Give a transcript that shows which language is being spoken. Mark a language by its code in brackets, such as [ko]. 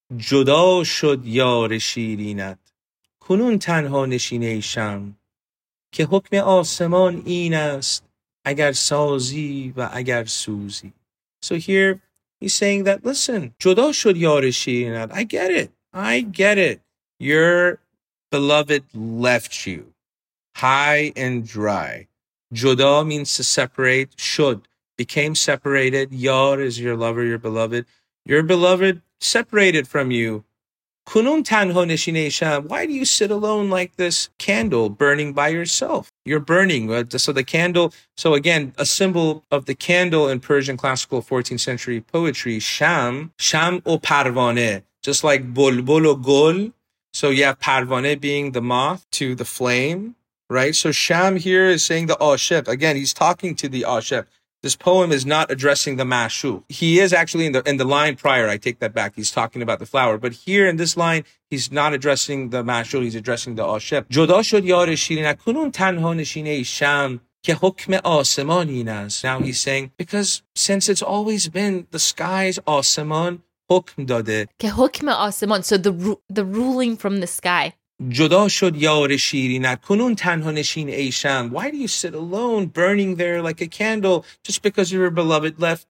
[fa] جدا شد یار شیرینت کنون تنها نشینیشم که حکم آسمان این است اگر سازی و اگر سوزی. [en] So here he's saying that, listen, [fa] جدا شد یار شیرینت. [en] I get it. Your beloved left you high and dry. جدا means to separate. Should became separated. یار is your lover, your beloved. Your beloved separated from you. [fa] کنون تنها نشینیشم. [en] Why do you sit alone like this candle burning by yourself? You're burning. So the candle, so again, a symbol of the candle in Persian classical 14th century poetry, Sham o parvane, just like bulbul o gul. So yeah, parvane being the moth to the flame, right? So Sham here is saying the ashiq. Again, he's talking to the ashiq. This poem is not addressing the mashu. He is actually in the line prior. I take that back. He's talking about the flower. But here in this line, he's not addressing the mashu. He's addressing the ashiq. [fa] جدا شد یار شیرین اکنون تنها نشینه شم که حکم آسمان این است. [en] Now he's saying, because since it's always been the skies, [fa] آسمان حکم داده. که حکم آسمان. [en] So the ruling from the sky. [fa] جدا شد یار شیرینت کنون تنها نشین ای شم. [en] Why do you sit alone burning there like a candle just because your beloved left?